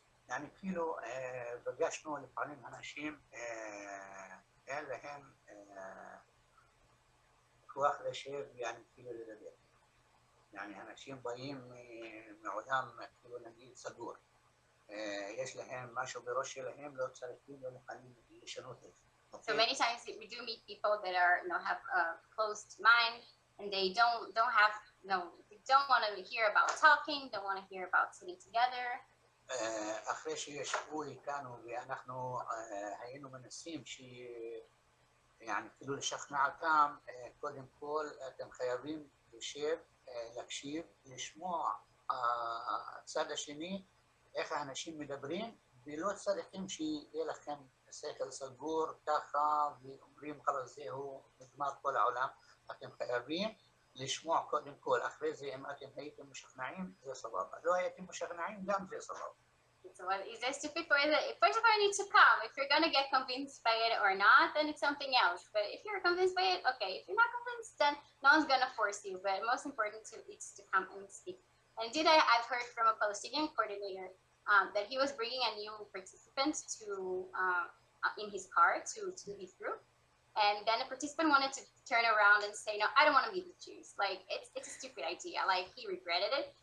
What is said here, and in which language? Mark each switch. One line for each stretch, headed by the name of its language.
Hebrew: אני כאילו פגשנו לפעמים אנשים אין להם כוח לשב, יעני כאילו לדבר. יעני אנשים באים מעולם כאילו נגיד סגור. יש להם משהו בראש שלהם, לא צריכים, לא מוכנים לשנות את זה.
English: So many times we do meet people that are, you know, have a closed mind, and they don't have, no, they don't want to hear about talking, don't want to hear about sitting together.
Hebrew: אחרי שישבו איתנו ואנחנו היינו מנסים ש... يعني כאילו לשכנע אותם, קודם כל אתם חייבים לשב, להקשיב, לשמוע הצד השני, איך האנשים מדברים, ולא צריכים שיהיה לכם שכל סגור ככה ואומרים אחרי זה הוא נגמר כל העולם. אתם חייבים לשמוע קודם כל, אחרי זה אם אתם הייתם משכנעים זה סבבה, לא הייתם משכנעים גם זה סבבה.
English: So, well, is there stupid for the first of all, you need to come. If you're gonna get convinced by it or not, then it's something else. But if you're convinced by it, okay. If you're not convinced, then no one's gonna force you. But most important to it's to come and speak. And did I've heard from a Palestinian coordinator that he was bringing a new participant to in his car to his group, and then the participant wanted to turn around and say, no, I don't want to be the Jews, like it's a stupid idea, like he regretted it.